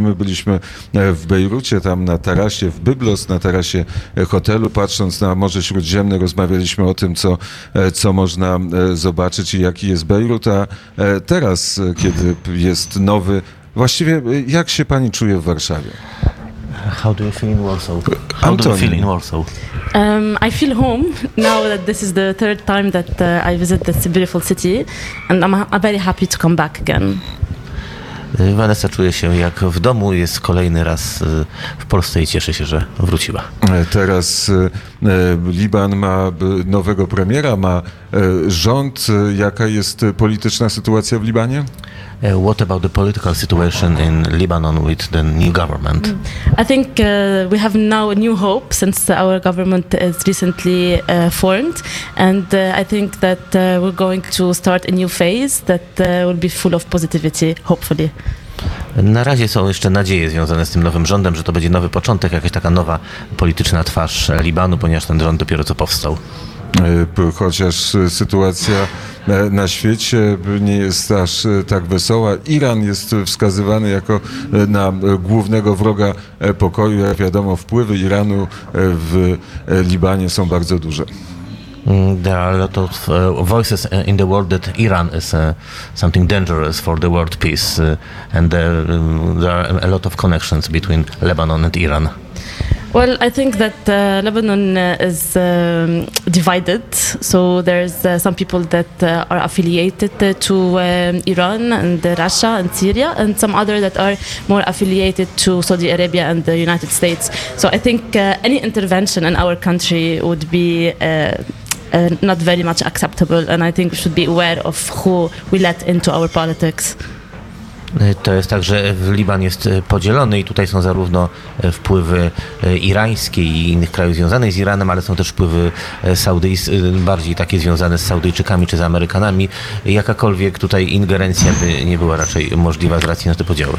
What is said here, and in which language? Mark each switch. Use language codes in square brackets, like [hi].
[pl] My byliśmy w Bejrucie, tam na tarasie, w Byblos, na tarasie hotelu, patrząc na Morze Śródziemne. Rozmawialiśmy o tym, co można zobaczyć i jaki jest Bejrut. A teraz, kiedy jest nowy, właściwie jak się pani czuje w Warszawie? [en] How do you feel in Warsaw? How do you feel in Warsaw? I feel home now that this is the third time that I visit this beautiful city, and I'm very happy to come back again. [pl] Vanessa czuje się jak w domu, jest kolejny raz w Polsce i cieszę się, że wróciła. Teraz Liban ma nowego premiera, ma rząd. Jaka jest polityczna sytuacja w Libanie? [en] What about the political situation in Lebanon with the new government? I think we have now a new hope since our government is recently formed, and I think that we're going to start a new phase that will be full of positivity, hopefully. [pl] Na razie są jeszcze nadzieje związane z tym nowym rządem, że to będzie nowy początek, jakaś taka nowa polityczna twarz Libanu, ponieważ ten rząd dopiero co powstał. Chociaż sytuacja na świecie nie jest aż tak wesoła. Iran jest wskazywany jako na głównego wroga pokoju. Jak wiadomo, wpływy Iranu w Libanie są bardzo duże. [en] There are a lot of voices in the world that Iran is something dangerous for the world peace. And there are a lot of connections between Lebanon and Iran. Well, I think that Lebanon is divided, so there's some people that are affiliated to Iran and Russia and Syria, and some other that are more affiliated to Saudi Arabia and the United States. So I think any intervention in our country would be not very much acceptable, and I think we should be aware of who we let into our politics. [pl] To jest tak, że Liban jest podzielony i tutaj są zarówno wpływy irańskie i innych krajów związanych z Iranem, ale są też wpływy bardziej takie związane z Saudyjczykami czy z Amerykanami. Jakakolwiek tutaj ingerencja by nie była raczej możliwa z racji na te podziały.